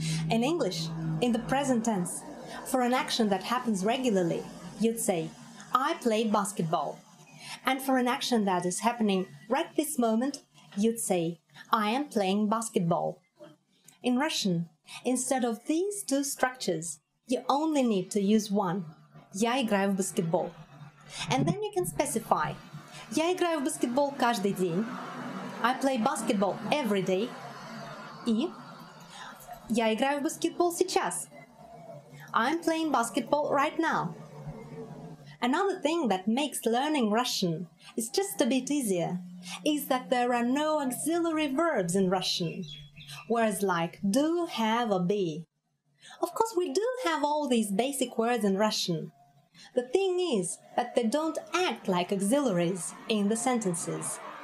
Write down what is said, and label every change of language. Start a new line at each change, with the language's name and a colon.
English: In English, in the present tense, for an action that happens regularly, you'd say, I play basketball. And for an action that is happening right this moment, you'd say, I am playing basketball. In Russian, instead of these two structures, you only need to use one.
Russian: Я играю в баскетбол.
English: And then you can specify.
Russian: Я играю в баскетбол каждый день.
English: I play basketball every day.
Russian: И Я играю в баскетбол сейчас.
English: I'm playing basketball right now. Another thing that makes learning Russian is just a bit easier is that there are no auxiliary verbs in Russian, words like do, have, or be. Of course, we do have all these basic words in Russian. The thing is that they don't act like auxiliaries in the sentences.